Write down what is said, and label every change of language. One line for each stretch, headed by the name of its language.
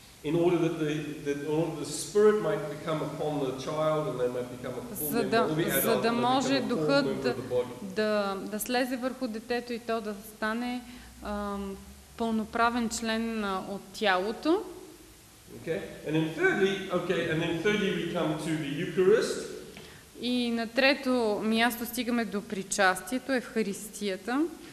English: In order that the spirit might become upon the child and they might become a full member,
Bulgarian: за да може духът да слезе върху детето и то да стане пълноправен член от тялото.
English: Okay. And then thirdly, we come to the Eucharist.
Bulgarian: И на трето място стигаме до причастието, Евхаристията.